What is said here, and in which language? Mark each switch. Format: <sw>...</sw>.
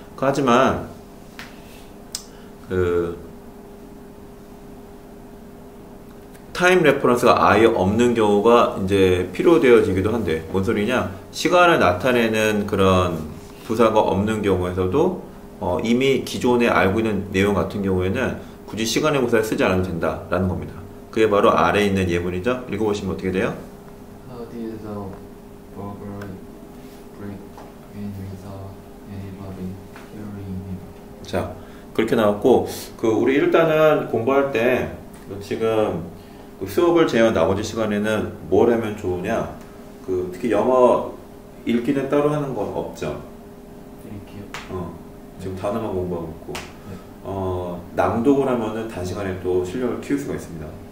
<ko>하지만 타임 레퍼런스가 아예 없는 경우가 이제 필요되어지기도 한데 뭔 소리냐? 시간을 나타내는 그런 부사가 없는 경우에서도 이미 기존에 알고 있는 내용 같은 경우에는 굳이 시간의 부사를 쓰지 않아도 된다라는 겁니다. 그게 바로 아래에 있는 예문이죠. 읽어보시면 어떻게 돼요?</ko> <en>How did the burglar break in without anybody hearing him?</en> <ko>자, 그렇게 나왔고 그 우리 일단은 공부할 때 지금 수업을 제외한 나머지 시간에는 뭘 하면 좋으냐? 그 특히 영어 읽기는 따로 하는 건 없죠. 읽기요? 지금 단어만 공부하고 있고 낭독을 하면은 단시간에 또 실력을 키울 수가 있습니다.</ko>